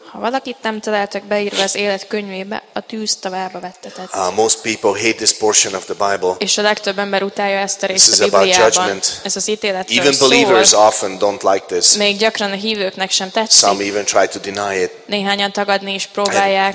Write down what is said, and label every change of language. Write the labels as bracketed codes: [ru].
[hu] Ha valakit nem találtak beírva az élet könyvébe, a tűz tavába vettetett. [en] Most people hate this portion of the Bible. [hu] És a legtöbb ember utálja ezt a részt a Bibliában. [en] This is about judgment. [hu] Ez az ítéletről szól. [en] Even believers often don't like this. [hu] Még gyakran a hívőknek sem tetszik. [en] Some even try to deny it. [hu] Néhányan tagadni is próbálják.